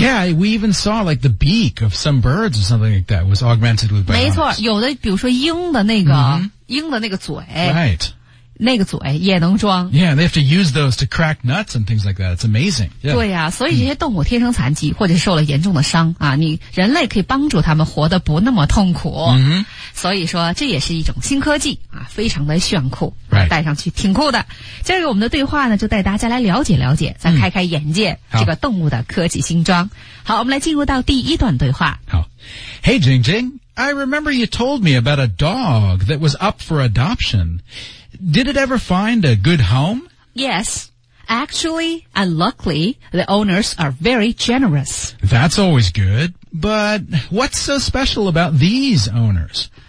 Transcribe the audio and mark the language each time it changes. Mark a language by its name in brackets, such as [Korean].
[English] Yeah, we even saw like the beak of some birds or something like that was augmented with bionics. [Chinese] 没错有的比如说鹰的那个、mm-hmm. 鹰的那个嘴。 [English] Right. [Chinese] 那个嘴也能装。 [English] Yeah, they have to use those to crack nuts and things like that. It's amazing.、Yeah. [Chinese] 对啊所以这些动物天生残疾或者受了严重的伤啊你人类可以帮助他们活得不那么痛苦。 Mm-hmm. 所以说这也是一种新科技啊非常的炫酷。 [English] Right. [Chinese] 戴上去挺酷的。接着我们的对话呢就带大家来了解了解再开开眼界、 mm-hmm. 这个动物的科技新装。好我们来进入到第一段对话。好。 [English] Hey, Jing Jing, I remember you told me about a dog that was up for adoption. Did it ever find a good home? Yes. Actually, and luckily, the owners are very generous. That's always good. But what's so special about these owners?